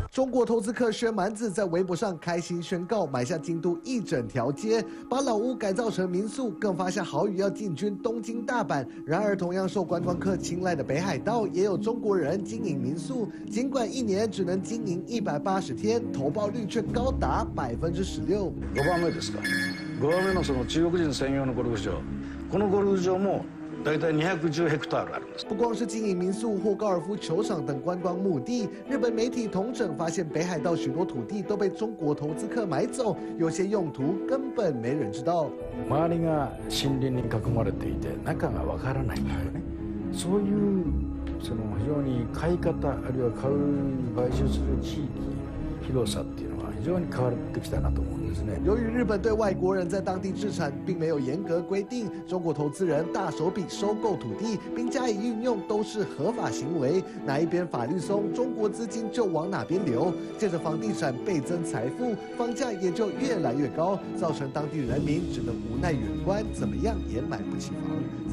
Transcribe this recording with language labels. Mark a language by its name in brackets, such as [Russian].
[Chinese] 中国投资客薛蛮子在微博上开心宣告买下京都一整条街，把老屋改造成民宿，更发下豪语要进军东京大阪。然而同样受观光客青睐的北海道也有中国人经营民宿，尽管一年只能经营180天，投报率却高达16%。 [Japanese] 5番目ですか。 5番目のその中国人専用のゴルフ場、このゴルフ場も大体210ヘクタールあるんです。 [Chinese] 不光是经营民宿或高尔夫球场等观光目的，日本媒体统整发现北海道许多土地都被中国投资客买走，有些用途根本没人知道。 [Japanese] 周りが森林に囲まれていて、中がわからない。そういうその非常に買い方あるいは買う買収する地域広さっていうのは非常に変わってきたなと思う。 [Chinese] 由于日本对外国人在当地置产并没有严格规定，中国投资人大手笔收购土地并加以运用都是合法行为，哪一边法律松，中国资金就往哪边流，借着房地产倍增财富，房价也就越来越高，造成当地人民只能无奈远观，怎么样也买不起房。